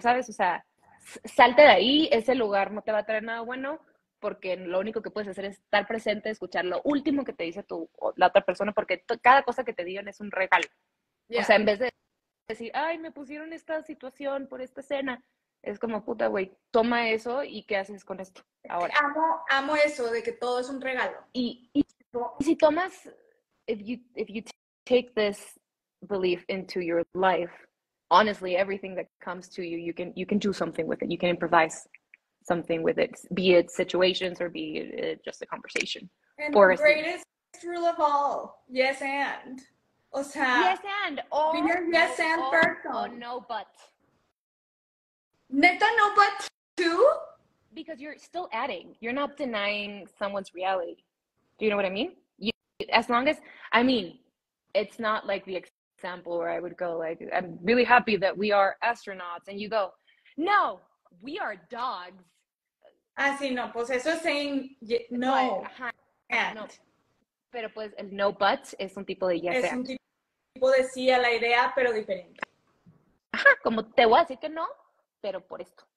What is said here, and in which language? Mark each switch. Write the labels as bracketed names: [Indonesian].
[Spanish] ¿Sabes? O sea, salte de ahí, ese lugar no te va a traer nada bueno, porque lo único que puedes hacer es estar presente, escuchar lo último que te dice la otra persona, porque cada cosa que te digan es un regalo. Yeah. O sea, en vez de decir, ay, me pusieron esta situación por esta escena, es como, puta, güey, toma eso y ¿qué haces con esto ahora? Amo eso de que todo es un regalo. Y si tomas, [English] if you take this belief into your life, honestly, everything that comes to you, you can do something with it, you can improvise something with it, be it situations or be it just a conversation. And the greatest rule of all, yes and. [Spanish] O sea, [English] yes and. Or your yes and person. Or no but. Neta no but too? Because you're still adding. You're not denying someone's reality. Do you know what I mean? It's not like the example where I would go like, I'm really happy that we are astronauts. And you go, no. We are dogs. [Spanish] Ah, sí, no, pues eso es [English] saying no. [Spanish] No. Pero pues el no but es un tipo de yes. Es un tipo de sí a la idea, pero diferente. Ajá, como te voy a decir que no, pero por esto.